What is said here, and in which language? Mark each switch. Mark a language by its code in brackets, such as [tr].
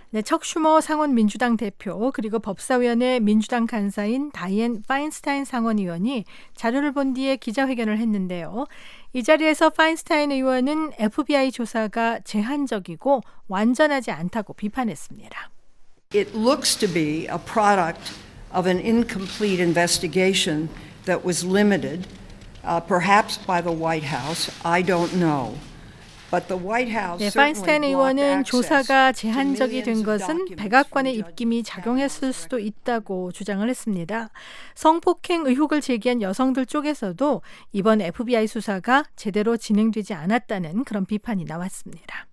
[ko] 네, 척 슈머 상원 민주당 대표 그리고 법사위원회 민주당 간사인 다이앤 파인스타인 상원의원이 자료를 본 뒤에 기자회견을 했는데요. 이 자리에서 파인스타인 의원은 FBI 조사가 제한적이고 완전하지 않다고 비판했습니다. [en] It looks to be a product of an incomplete investigation that was limited, perhaps by the White House. I don't know. But the White House. [ko] 네, 파인스타인 의원은 조사가 제한적이 된 것은 백악관의 입김이 작용했을 수도 있다고 주장을 했습니다. 성폭행 의혹을 제기한 여성들 쪽에서도 이번 FBI 수사가 제대로 진행되지 않았다는 그런 비판이 나왔습니다.